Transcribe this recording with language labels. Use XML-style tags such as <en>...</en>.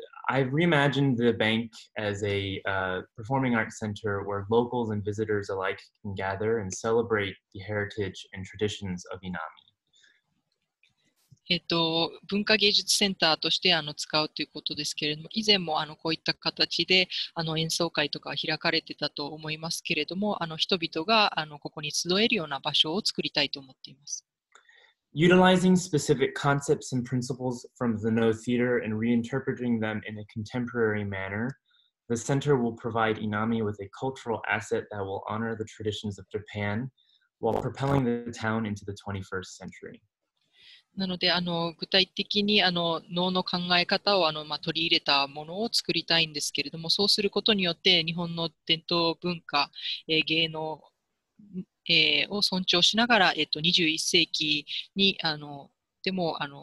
<en>I've reimagined the bank as a performing arts center where locals and visitors alike can gather and celebrate the heritage and traditions of Inami.</en> <ja>文化芸術センターとして使うということですけれども以前もこういった形で演奏会とか開かれてたと思いますけれども人々がここに集えるような場所を作りたいと思っています。</ja> <en>Utilizing specific concepts and principles from the No Theater and reinterpreting them in a contemporary manner, the center will provide Inami with a cultural asset that will honor the traditions of Japan while propelling the town into the 21st century.</en> <ja>なので具体的に能の考え方を取り入れたものを作りたいんですけれどもそうすることによって日本の伝統文化、芸能、を尊重しながら、21世紀にでも</ja>